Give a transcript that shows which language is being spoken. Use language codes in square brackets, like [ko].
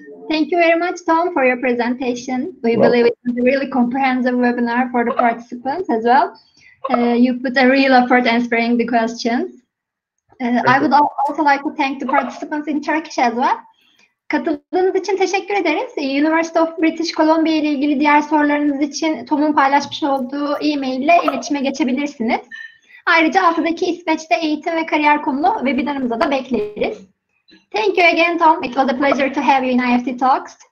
[en] Thank you very much, Tom, for your presentation. We believe it was a really comprehensive webinar for the participants as well. You put a real effort answering the questions. I would also like to thank the participants in Turkish as well. [tr] Katıldığınız için teşekkür ederiz. University of British Columbia ile ilgili diğer sorularınız için Tom'un paylaşmış olduğu e-mail ile iletişime geçebilirsiniz. Ayrıca haftadaki İsveç'te eğitim ve kariyer konulu webinarımıza da bekleriz. [en] Thank you again, Tom. It was a pleasure to have you in IEFT Talks.